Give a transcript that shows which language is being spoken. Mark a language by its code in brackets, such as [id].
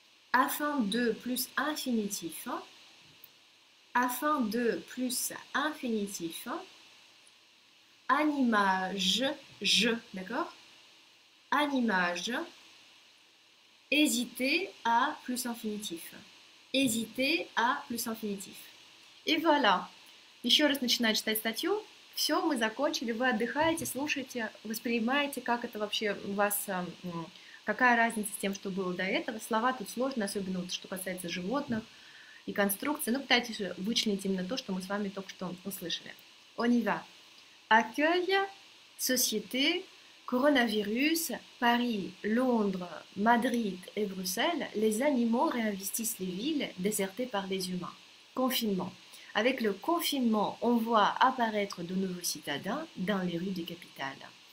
[fr] Afin de plus infinitif, afin de plus infinitif, animage, je, d'accord? Animage, hésiter à plus infinitif, hésiter à plus infinitif. Et voilà, [ru] еще раз начинаю читать статью. Все, мы закончили, вы отдыхаете, слушаете, воспринимаете, как это вообще у вас. Какая разница с тем, что было до этого? Слова тут сложные, особенно вот, что касается животных и конструкций. Ну, пытайтесь вычленить именно то, что мы с вами только что услышали. [fr] On y va. Accueil, société, coronavirus, Paris, Londres, Madrid et Bruxelles, les animaux réinvestissent les villes désertées par les humains. Confinement. Avec le confinement, on voit apparaître de nouveaux citadins dans les rues des capitales.